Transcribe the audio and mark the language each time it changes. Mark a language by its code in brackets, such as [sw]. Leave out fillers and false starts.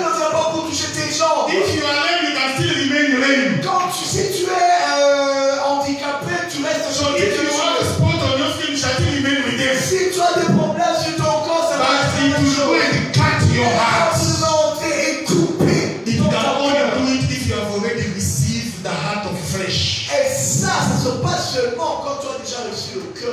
[en] If you are lame, you can still remain lame. [fr] Quand tu sais tu es handicapé, tu restes [en] so if you want a spot on your skin, you shall still remain with them. [fr] Si tu as des problèmes sur ton corps, ça [en] but if you go and cut your heart, it can only do it if you have already received the heart of flesh. [fr] Et ça, ça se passe seulement quand tu as déjà reçu le cœur